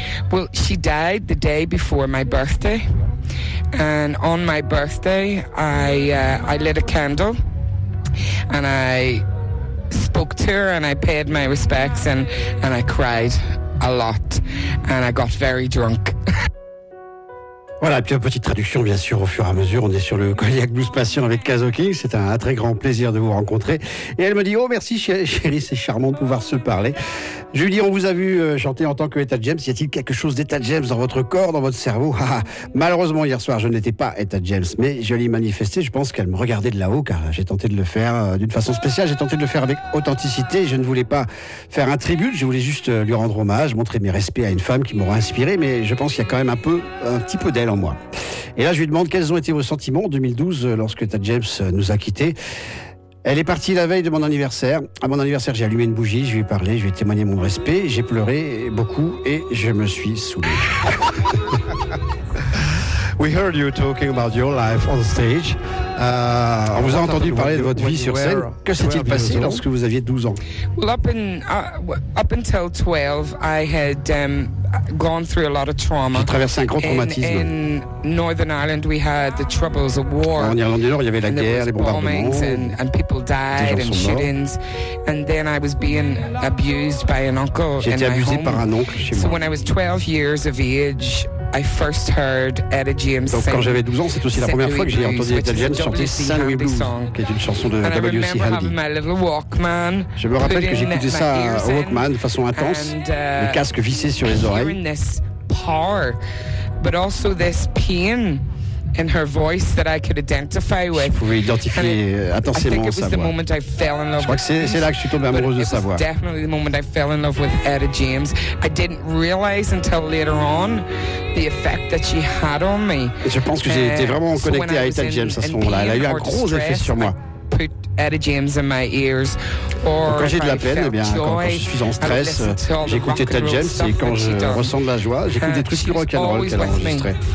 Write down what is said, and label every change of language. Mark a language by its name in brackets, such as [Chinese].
[English] Well, she died the day before my birthday, and on my birthday I lit a candle and I spoke to her and I paid my respects and I cried a lot and I got very drunk. [French] Voilà, et puis une petite traduction, bien sûr, au fur et à mesure. On est sur le Cognac Blues Passion avec Kaz Hawkins. C'est un très grand plaisir de vous rencontrer. Et elle me dit, oh merci chérie, c'est charmant de pouvoir se parler. Je lui dis, on vous a vu chanter en tant que Etta James. Y a-t-il quelque chose d'Etta James dans votre corps, dans votre cerveau? Malheureusement, hier soir, je n'étais pas Etta James, mais je l'ai manifesté. Je pense qu'elle me regardait de là-haut, car j'ai tenté de le faire d'une façon spéciale. J'ai tenté de le faire avec authenticité. Je ne voulais pas faire un tribut. Je voulais juste lui rendre hommage, montrer mes respects à une femme qui m'aura inspiré. Mais je pense qu'il y a quand même un petit peu d'elle en moi. Et là, je lui demande quels ont été vos sentiments en 2012 lorsque Etta James nous a quittés. Elle est partie la veille de mon anniversaire. À mon anniversaire, j'ai allumé une bougie, je lui ai parlé, je lui ai témoigné mon respect, j'ai pleuré beaucoup et je me suis saoulé. [English] We heard you talking about your life on stage. [French] On vous a entendu parler de votre vie sur scène. Que s'est-il passé lorsque vous aviez 12 ans? [English] Well, up until 12, I had gone through a lot of trauma. [French] J'ai traversé un grand traumatisme. [English] In Northern Ireland, we had the troubles of war. [French] En Irlande du Nord, il y avait la guerre, les bombardements. [English] And people died and shootings. And then I was being abused by an uncle. [French] J'ai été abusé par un oncle chez moi. [English] So when I was 12 years of age, I first heard Etta James. [French] Donc quand j'avais 12 ans, c'est aussi la première fois que j'ai entendu Etta James chanter Saint Louis Blues, qui est une chanson de W.C. Handy. Je me rappelle que j'écoutais ça au Walkman de façon intense, le casque vissé sur les oreilles. [English] Hearing this power, but also this pain in her voice that I could identify with. [French] Je pouvais identifier intensément sa voix. [English] Moment I fell in love. [French] Je crois que c'est là que je suis tombé amoureuse de sa voix. [English] Definitely the moment I fell in love with Etta James. I didn't realize until later on the effect that she had on me. [French] Je pense que j'ai été vraiment connecté à Etta James à ce moment-là. Elle a eu un gros effet sur moi. [English] Put Etta James in my ears. [French] Or quand j'ai de la peine, eh bien, quand je suis en stress, j'écoute Etta James et quand je ressens de la joie, j'écoute des trucs plus rock and roll qu'elle a enregistrés.